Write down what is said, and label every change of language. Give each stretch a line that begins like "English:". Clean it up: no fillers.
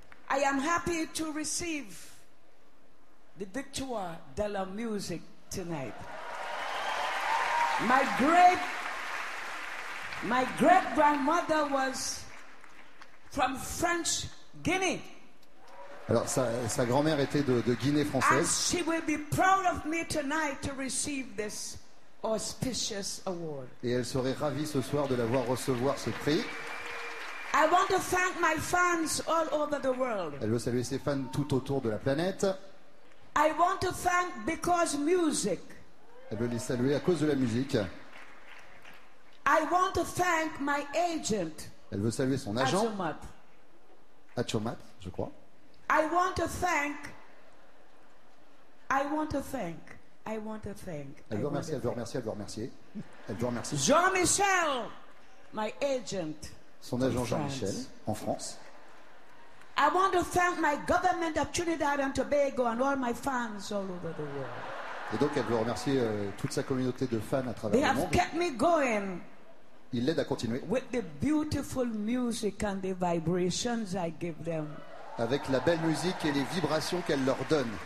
English: I am happy to receive the Victoire de la Musique tonight. My great grandmother was from French Guinea.
French: Alors sa grand-mère était de Guinée française.
English: And she will be proud of me tonight to receive this auspicious award.
French: Et elle serait ravie ce soir de la voir recevoir ce prix.
English: I want to thank my fans all over the world.
French: Elle veut saluer ses fans tout autour de la planète.
English: I want to thank because music.
French: Elle veut les saluer à cause de la musique.
English: I want to thank my agent.
French: Elle veut saluer son agent.
English: Achomat.
French: Achomat, je crois.
English: I want to thank.
French: Elle veut remercier.
English: Jean-Michel, my agent.
French: Son agent Jean-Michel, en France.
English: I want to thank my government of Trinidad and Tobago and all my fans all over the world.
French: Et donc elle veut remercier toute sa communauté de fans à travers le monde.
English: They have kept me going.
French: Il l'aide à continuer.
English: With the beautiful music and the vibrations I give them.
French: Avec la belle musique et les vibrations qu'elle leur donne.